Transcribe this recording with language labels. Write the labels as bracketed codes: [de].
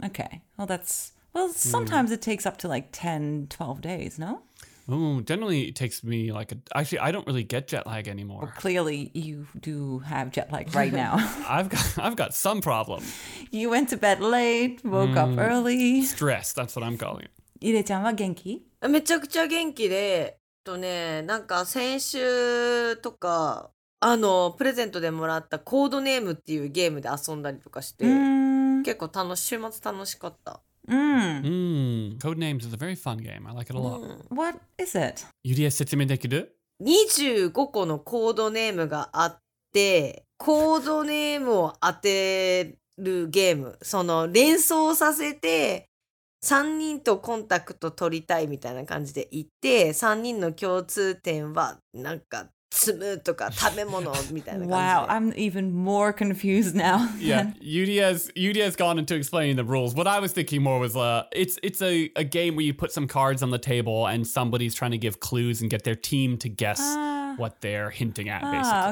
[en] Okay. Well, that's... Well, sometimes it takes up to like 10, 12 days, no? Oh, generally it takes me like... Actually, I don't really get jet lag anymore. Well, clearly you do have jet lag right now. I've got some problem. You went to bed late, woke up early. Stress, that's what I'm calling it. [ja] Ire-chan wa genki? めちゃくちゃ元気で、なんか先週とか、プレゼントでもらったコードネームっていうゲームで遊んだりとかして、結構週末楽しかった。 [en] Code Names is a very fun game. I like it a lot. What is it? [ja] ゆりえ説明できる 25個のコードネームがあってコードネームを当てるゲームその連想させて3人とコンタクト取りたいみたいな感じで言って3人の共通点はなんか積むとか食べ物みたいな感じ [en] Wow, I'm even more confused now. Yeah, Yuria's gone into explaining the rules. What I was thinking more was it's a game where you put some cards on the table and somebody's trying to give clues and get their team to guess what they're hinting at, basically.